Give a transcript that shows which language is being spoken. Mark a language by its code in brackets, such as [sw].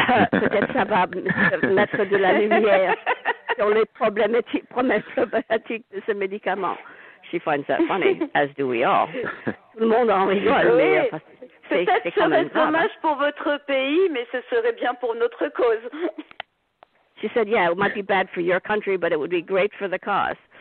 [fr] Peut-être ça va mettre de la lumière. Sur les problématiques de ce médicament. [en] She finds that funny, as do we all. [fr] Tout le monde en rigole, oui. Mais c'est quand même grave. Peut-être dommage pour votre pays, mais ce serait bien pour notre cause. [en] She said, yeah, it might be bad for your country, but it would be great for the cause.